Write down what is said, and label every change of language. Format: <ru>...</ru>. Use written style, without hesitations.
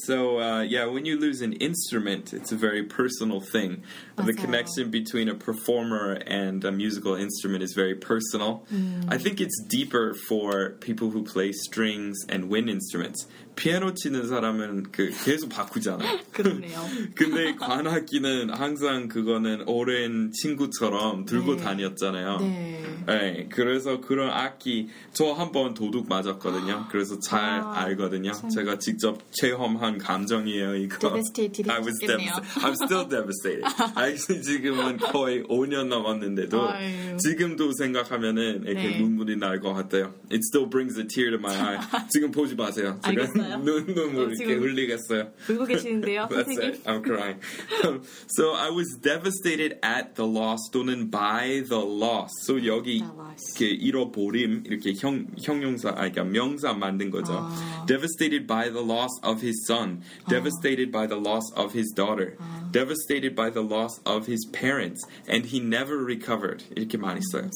<en>So, yeah, when you lose an instrument, it's a very personal thing.</en> <ko>맞아요.</ko> <en>The connection between a performer and a musical instrument is very personal. I think it's deeper for people who play strings and wind instruments.</en> <ko>피아노 치는 사람은 계속 바꾸잖아. 그러네요. 근데 관악기는 항상 그거는 오랜 친구처럼 들고 네. 다녔잖아요. 네. 네. 그래서 그런 악기, 저 한번 도둑 맞았거든요. 그래서 잘 알거든요. 제가 직접 체험한 감정이에요, 이거.</ko> <en>Devastated. I was devastated. I'm still devastated.</en> <ko>아직 지금은 거의 5년 남았는데도 지금도 생각하면은 이렇게 네. 눈물이 날 것 같아요.</ko> <en>It still brings a tear to my eye.</en> <ko>지금 보지 마세요. 제가 눈물 이렇게 흘리겠어요. 울고 계시는데요,</ko> <en>선생님. That's it. I'm crying. So I was devastated at the loss 또는 by the loss.</en> <ko>So 여기 이렇게 잃어버림 이렇게 형용사 그러니까 명사 만든 거죠.</ko> <en>Devastated by the loss of his son. Devastated by the loss of his daughter. Devastated by the loss of his parents. And he never recovered.</en> <ko>이렇게 많이 써요.</ko>